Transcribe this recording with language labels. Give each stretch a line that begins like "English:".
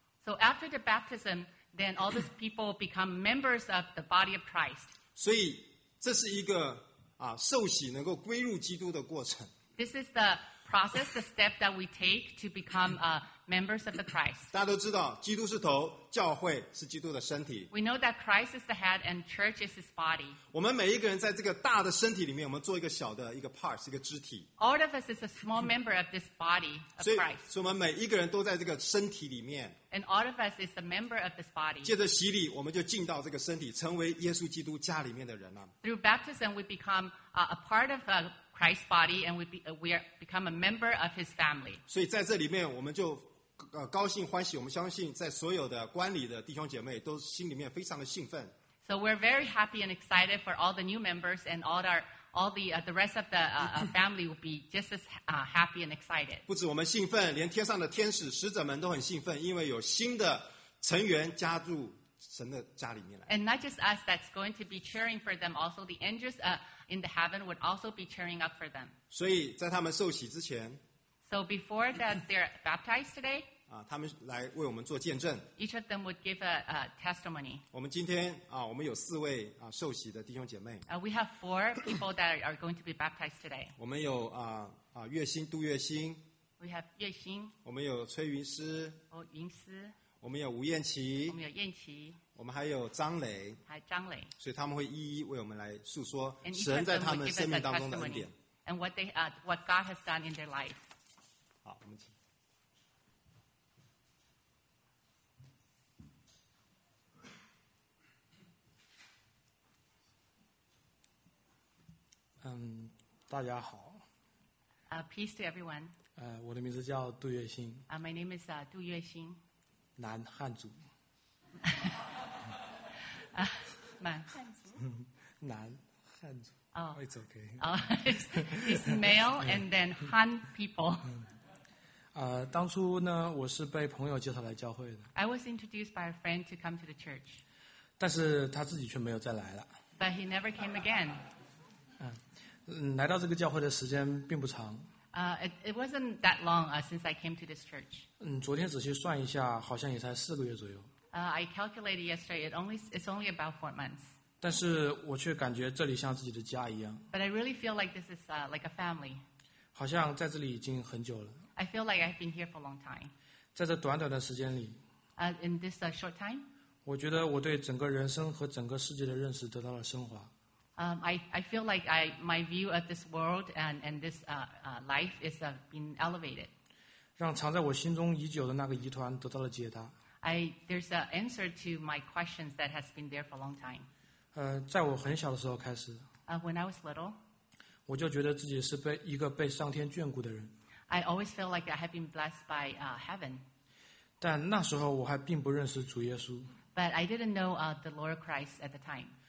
English: So after the baptism, then all these people become members of the body of Christ.
Chinese: 所以这是一个啊，受洗能够归入基督的过程。
English: This is the process, the step that we take to become a members of the Christ.
Chinese: 大家都知道，基督是头，教会是基督的身体。
English: We know that Christ is the head and church is his body.
Chinese: 我们每一个人在这个大的身体里面，我们做一个小的一个 part， 是一个肢体。
English: All of us is a small member of this body of Christ.
Chinese: 所以我们每一个人都在这个身体里面。
English: And all of us is a member of this body.
Chinese: 借着洗礼，我们就进到这个身体，成为耶稣基督家里面的人了。
English: Through baptism, we become a part of a Christ's body, and we become a member of His family.
Chinese: 所以在这里面，我们就高兴欢喜，我们相信在所有的观礼的弟兄姐妹都心里面非常的兴奋。
English: So we're very happy and excited for all the new members and all the rest of the family will be just as happy and excited.
Chinese: 不止我们兴奋，连天上的天使使者们都很兴奋，因为有新的成员加入神的家里面来。
English: And not just us that's going to be cheering for them, also the angels in the heaven would also be cheering up for them.
Chinese: 所以在他们受洗之前。
English: So before that they're baptized today,
Chinese: 他们来为我们做见证。
English: Each of them would give a testimony.
Chinese: 我们今天我们有四位受洗的弟兄姐妹。
English: We have four people that are going to be baptized today.
Chinese: 我们有月星，杜月星。
English: We have 月星。
Chinese: 我们有崔云师。云师。我们有吴燕琪。我们有燕琪。我们还有张磊。还有张磊。所以他们会一一为我们来诉说神在他们生命当中的恩典。
English: And what God has done in their life.
Chinese: 好，我们请。大家好。
English: Peace to everyone.
Chinese: 我的名字叫杜月欣。
English: My name is 杜月欣。
Chinese: 男，汉族。满汉族。男，汉族。
English: It's okay. It's male and then Han people.
Chinese: 当初呢，我是被朋友介绍来教会的。
English: I was introduced by a friend to come to the church.
Chinese: 但是他自己却没有再来了。
English: But he never came again.
Chinese: 来到这个教会的时间并不长。
English: It wasn't that long since I came to this church.
Chinese: 昨天仔细算一下，好像也才四个月左右。
English: I calculated yesterday. It's only about 4 months.
Chinese: 但是我却感觉这里像自己的家一样。
English: But I really feel like this is like a family.
Chinese: 好像在这里已经很久了。
English: I feel like I've been here for a long time.
Chinese: 在这短短的时间里
English: in this short time,
Chinese: 我觉得我对整个人生和整个世界的认识得到了升华。
English: I feel like my view of this world and this life is been elevated.
Chinese: 让藏在我心中已久的那个疑团得到了解答。
English: There's an answer to my questions that has been there for a long time.
Chinese: 在我很小的时候开始
English: when I was little,
Chinese: 我就觉得自己是被一个被上天眷顾的人。
English: I always feel like I have been blessed by heaven.
Chinese: 但那时候我还并不认识主耶稣。
English: But I didn't know the Lord Christ at the time.